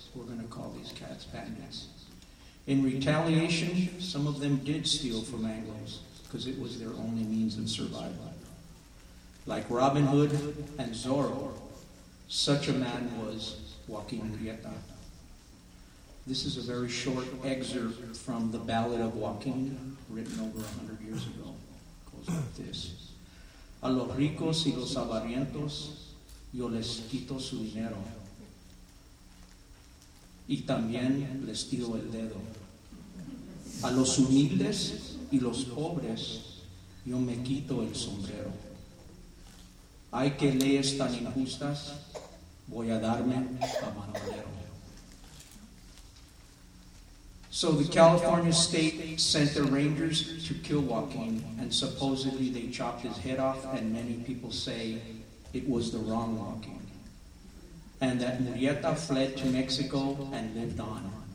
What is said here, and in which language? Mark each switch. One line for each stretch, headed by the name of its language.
English: We're going to call these cats bandits. In retaliation, some of them did steal from Anglos because it was their only means of survival. Like Robin Hood and Zorro, such a man was Joaquin Murrieta. This is a very short excerpt from The Ballad of Joaquin, written over 100 years ago. It goes like this.
Spanish: A los ricos y los avarientos, yo les quito su dinero. Y también les tiro el dedo. A los humildes y los pobres, yo me quito el sombrero. Hay que leyes tan injustas, voy a darme a manolero.
English: So the California State sent their rangers to kill Joaquin, and supposedly they chopped his head off, and many people say it was the wrong Joaquin, and that Murrieta fled to Mexico and lived on.